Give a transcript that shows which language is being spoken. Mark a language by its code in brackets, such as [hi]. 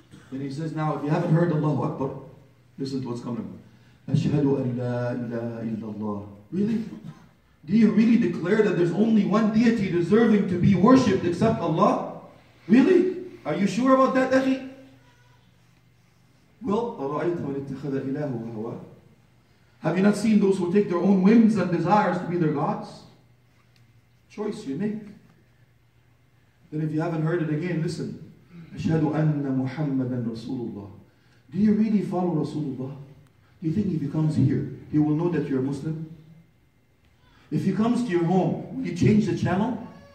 [en] Then he says, now if you haven't heard Allahu Akbar, listen to what's coming. [ar] Ashhadu an la ilaha illallah. [en] Really? Do you really declare that there's only one deity deserving to be worshipped except Allah? Really? Are you sure about that, Akhi? [ar] Well, أَرَأَيْتَ مَنِ اتَّخَذَ إِلَاهُ وَهَوَى. [en] Have you not seen those who take their own whims and desires to be their gods? Choice you make. Then if you haven't heard it again, listen. [ar] أَشْهَدُ أَنَّ مُحَمَّدًا رَسُولُ اللَّهِ. [en] Do you really follow Rasulullah? Do you think if he comes here, he will know that you're a Muslim? If he comes to your home, will you change the channel?